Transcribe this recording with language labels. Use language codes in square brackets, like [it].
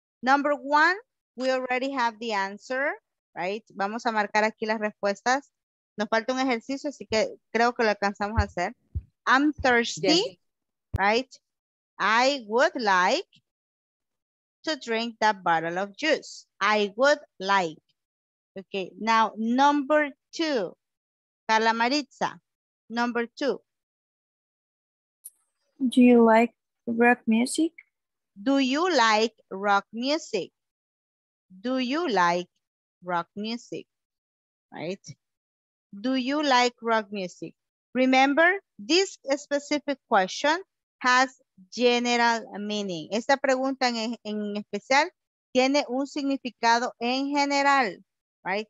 [en] Number one, we already have the answer, right? [es] Vamos a marcar aquí las respuestas. Nos falta un ejercicio, así que creo que lo alcanzamos a hacer. [en] I'm thirsty, right? I would like to drink that bottle of juice. I would like. Okay, now number two, Carla Maritza, number two. Do you like rock music? Do you like rock music? Do you like rock music? Right? Do you like rock music? Remember, this specific question has general meaning. [es] Esta pregunta en especial tiene un significado en general, right?